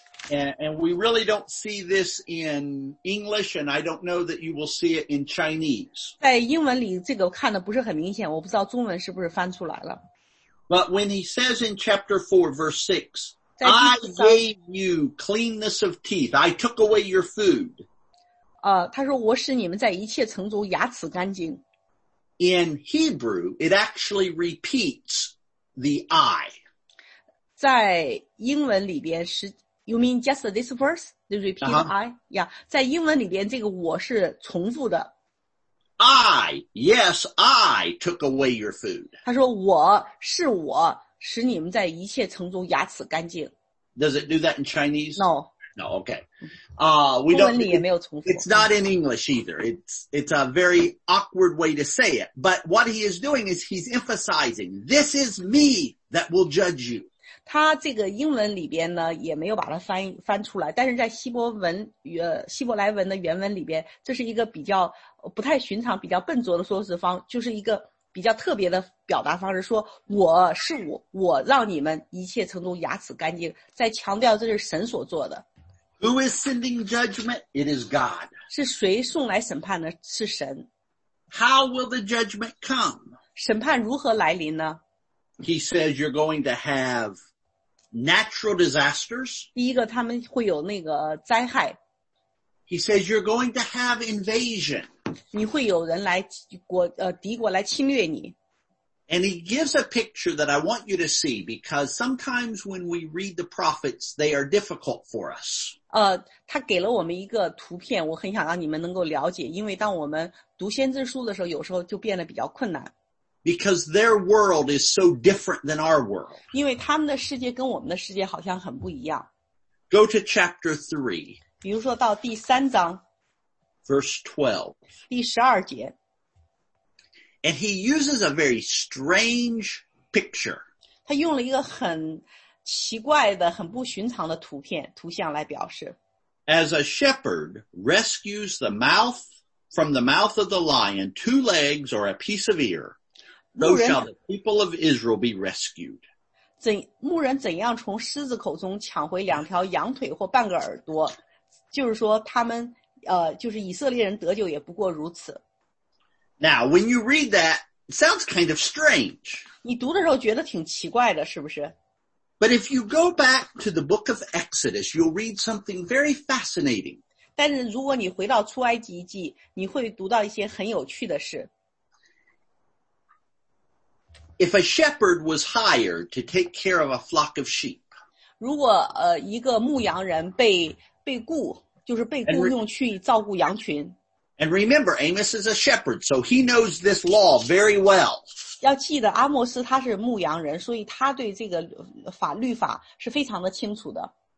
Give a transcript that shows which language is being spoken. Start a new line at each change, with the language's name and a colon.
English: And we really don't see this in English, and I don't know that you will see it in Chinese.
Chinese: 在英文里这个看的不是很明显，我不知道中文是不是翻出来了。
English: But when he says in chapter 4, verse 6, I gave you cleanness of teeth, I took away your food.
Chinese: 他说我使你们在一切城中牙齿干净。
English: In Hebrew, it actually repeats the I.
Chinese: 在英文里边是
English: You mean just this verse? The repeat I? Yeah.
Chinese: 在英文里边这个我是重复的。
English: I, yes, I took away your food.
Chinese: 他说我是我使你们在一切城中牙齿干净。
English: Does it do that in Chinese? No. No, okay. We don't,
Chinese: 中文里也没有重复。
English: It's not in English either. It's a very awkward way to say it. But what he is doing is he's emphasizing, this is me that will judge you.
Chinese: 他这个英文里边呢也没有把它翻出来，但是在希伯来文的原文里边，这是一个比较不太寻常、比较笨拙的说辞方，就是一个比较特别的表达方式，说我是我，我让你们一切程度牙齿干净，在强调这是神所做的。
English: Who is sending judgment? It is God.
Chinese: 是谁送来审判呢？是神。
English: How will the judgment come?
Chinese: 审判如何来临呢？
English: He says you're going to have natural disasters.
Chinese: 第一个他们会有那个灾害。
English: He says you're going to have invasion.
Chinese: 你会有人来敌国来侵略你。
English: And he gives a picture that I want you to see because sometimes when we read the prophets, they are difficult for us.
Chinese: 他给了我们一个图片，我很想让你们能够了解，因为当我们读先知书的时候，有时候就变得比较困难。
English: Because their world is so different than our world.
Chinese: 因为他们的世界跟我们的世界好像很不一样。
English: Go to chapter 3.
Chinese: 比如说到第三章。
English: Verse 12.
Chinese: 第十二节。
English: And he uses a very strange picture.
Chinese: 他用了一个很奇怪的、很不寻常的图片、图像来表示。
English: As a shepherd rescues the mouth from the mouth of the lion, two legs or a piece of ear. So shall the people of Israel be rescued.
Chinese: 牧人怎样从狮子口中抢回两条羊腿或半个耳朵，就是说他们就是以色列人得救也不过如此。
English: Now, when you read that, it sounds kind of strange.
Chinese: 你读的时候觉得挺奇怪的，是不是？
English: But if you go back to the book of Exodus, you'll read something very fascinating.
Chinese: 但是如果你回到出埃及记，你会读到一些很有趣的事。
English: If a shepherd was hired to take care of a flock of sheep,
Chinese: 如果一个牧羊人被雇，就是被雇用去照顾羊群。
English: And remember, Amos is a shepherd, so he knows this law very well.
Chinese: 要记得阿摩斯他是牧羊人，所以他对这个律法是非常的清楚的。